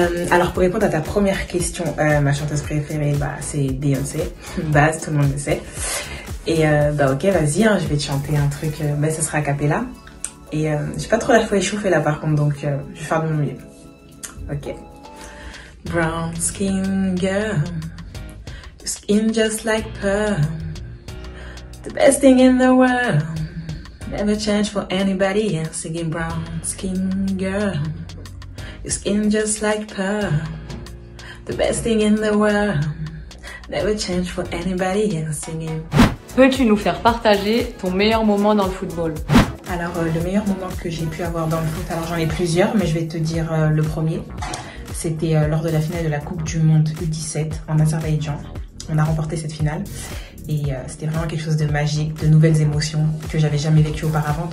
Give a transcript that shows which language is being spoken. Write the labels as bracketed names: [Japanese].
[French] Alors pour répondre à ta première question, ma chanteuse préférée, bah, c'est Beyoncé, base, tout le monde le sait. Et bah ok, vas-y, hein, je vais te chanter un truc, mais ça sera a cappella. Et j'ai pas trop la foi échauffée là par contre, donc je vais faire de mon mieux. Ok. [English] Brown skin girl, your skin just like pearl, the best thing in the world, never change for anybody else. Singing brown skin girl, your skin just like pearl, the best thing in the world, never change for anybody else. Singing. [French] Peux-tu nous faire partager ton meilleur moment dans le football? Alors, le meilleur moment que j'ai pu avoir dans le foot, alors j'en ai plusieurs, mais je vais te dire le premier. C'était lors de la finale de la Coupe du Monde U17 en Azerbaïdjan. On a remporté cette finale et c'était vraiment quelque chose de magique, de nouvelles émotions que j'avais jamais vécues auparavant.